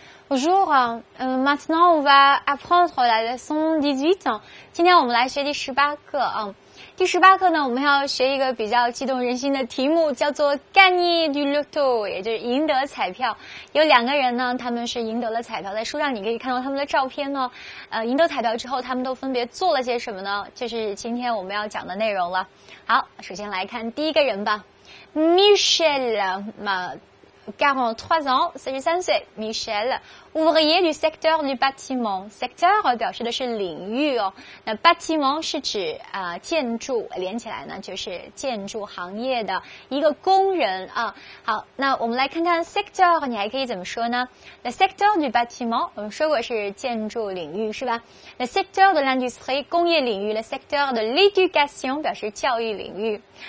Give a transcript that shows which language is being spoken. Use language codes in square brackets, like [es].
[fr] Bonjour, maintenant on va apprendre la leçon 18. [zh] 今天我们来学第十八课啊。第十八课呢，我们要学一个比较激动人心的题目，叫做 [fr] gagner du loto， [zh] 也就是赢得彩票。有两个人呢，他们是赢得了彩票，在书上你可以看到他们的照片呢。赢得彩票之后，他们都分别做了些什么呢？就是今天我们要讲的内容了。好，首先来看第一个人吧 ，Michel 嘛。 [fr] 43 ans, [zh] 43岁 [fr] ,Michel, ouvrier du secteur du bâtiment. [zh] Secteur 表示的是领域哦。那 bâtiment 是指、建筑，连起来呢就是建筑行业的一个工人啊。好，那我们来看看 secteur, 你还可以怎么说呢 ? [fr] Le secteur du bâtiment, [zh] 我们说过是建筑领域是吧 ? [fr] Le secteur de l'industrie, [zh] 工业领域 , [fr] Le secteur de l'éducation, [zh] 表示教育领域。